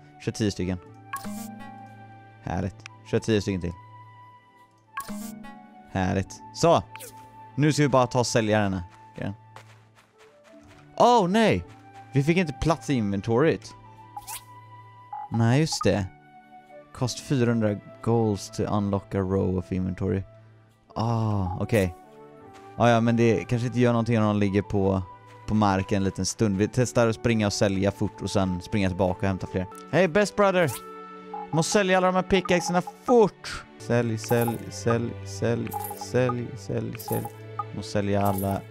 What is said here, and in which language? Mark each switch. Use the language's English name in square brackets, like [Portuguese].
[Swedish] Kör 10 stycken. Härligt. Kör 10 stycken till. Härligt. Så. Nu ska vi bara ta och sälja den här. Åh, nej! Vi fick inte plats i inventoriet. Nej, just det. [English] Kost 400 golds to unlock a row of inventory. [Swedish] Ah, okej. Okay. Ah, ja, men det kanske inte gör någonting om de ligger på marken en liten stund. Vi testar att springa och sälja fort och sen springa tillbaka och hämta fler. [English] Hey, best brother! [Swedish] Måste sälja alla de här pickaxerna fort! Sälj, sälj, sälj, sälj, sälj, sälj, sälj. Och sälja alla.